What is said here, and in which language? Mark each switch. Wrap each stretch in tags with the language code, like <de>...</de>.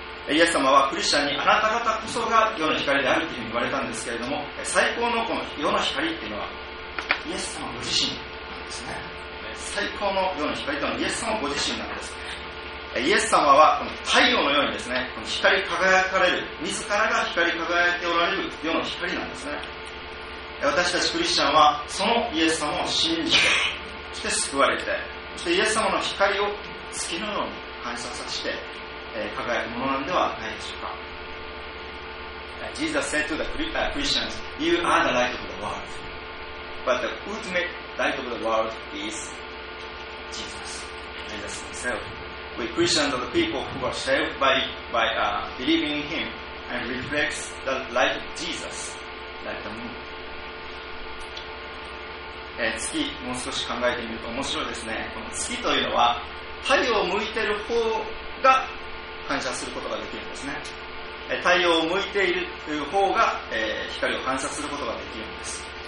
<ja>イエス様はクリスチャンに、あなた方こそが世の光であるというふうに言われたんですけれども、最高のこの世の光っていうのは、イエス様ご自身なんですね。最高の世の光というのはイエス様ご自身なんです。イエス様はこの太陽のようにですね、この光輝かれる、自らが光り輝いておられる世の光なんですね。私たちクリスチャンはそのイエス様を信じて、そして救われて、そしてイエス様の光を月のように反射させて輝くものなんではないでしょうか。</ja> <en>Jesus said to the Christians, You are the light of the world, but the ultimate light of the world is Jesus himself. We Christians are the people who are saved by believing in Him and reflects the light of Jesus, like the moon.</en> <ja>え、月、もう少し考えてみると面白いですね。この月というのは太陽を向いている方が反射することができるんですね。太陽を向いているという方が、光を反射することができるんです。</ja>